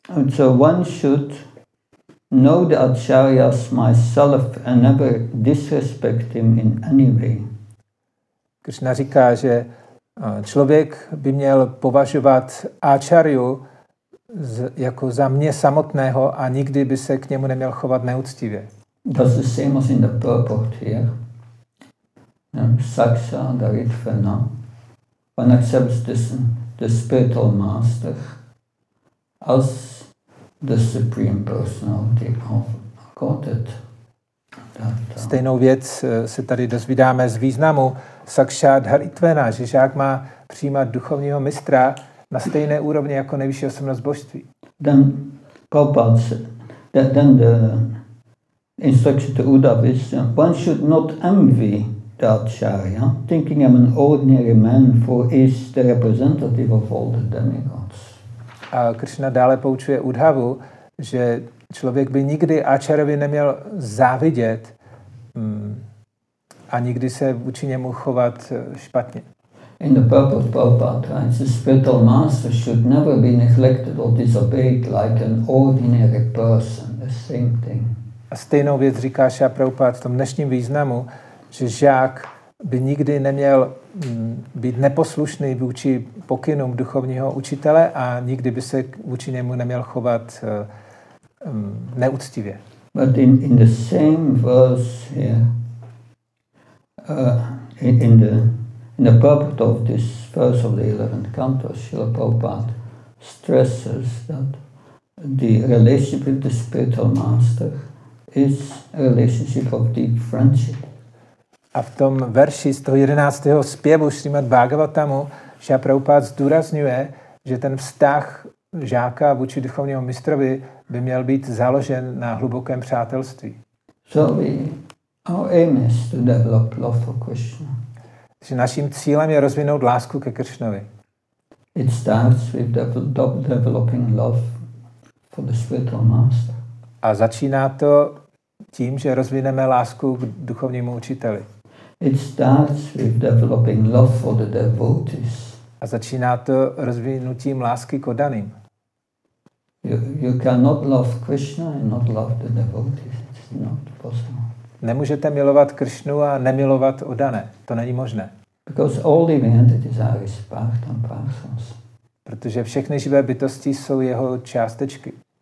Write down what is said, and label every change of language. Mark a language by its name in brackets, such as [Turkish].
[English] So one should know the acharyas myself and never disrespect him in any way. [Czech] Krishna říká, že člověk by měl považovat áčariu jako za mě samotného a nikdy by se k němu neměl chovat neúctivě. [English] That's the same as in the purport here. Saksa, Daritvena. One accepts the spiritual master as the supreme personality of Godhead. [Czech] Stejnou věc se tady dozvídáme z významu Sakshat Haritvena, že žák má přijímat duchovního mistra na stejné úrovni jako nejvyšší osobnost božství. [English] Ten Prabhupada, ten instruktor Udhava, one should not envy the Acharya, thinking I'm an ordinary man, for is the representative of all the demigods. [Czech] A Krishna dále poučuje Udhavu, že člověk by nikdy Acharyovi neměl závidět a nikdy se vůči němu chovat špatně. [English] In the purport of Prabhupada, the spiritual master should never be neglected or disobeyed like an ordinary person. The same thing. [Czech] A stejnou věc říká Šrila Prabhupada v tom dnešním významu, že žák by nikdy neměl být neposlušný vůči pokynům duchovního učitele a nikdy by se vůči němu neměl chovat neúctivě. [English] But in the same verse here, in the purport of this verse of the 11th canto, Srila Prabhupada stresses that the relationship with the spiritual master is a relationship of deep friendship. [Czech] A v tom verši z toho 11. zpěvu Srimad Bhagavatamu Šrila Prabhupada zdůrazňuje, že ten vztah žáka vůči duchovnímu mistrovi by měl být založen na hlubokém přátelství. [English] So our aim is to develop love for Krishna. [Czech] Takže naším cílem je rozvinout lásku ke Krishnovi. [English] It starts with developing love for the spiritual master. [Czech] A začíná to tím, že rozvineme lásku k duchovnímu učiteli. [English] It starts with developing love for the devotees. [Czech] A začíná to rozvinutím lásky k oddaným. [English] You cannot love Krishna and not love the devotees. It's not possible. [Czech] Nemůžete milovat Krishnu a nemilovat oddané. To není možné. [English] Because all living entities are his part and parcels. [Czech] Protože všechny živé bytosti jsou jeho částečky.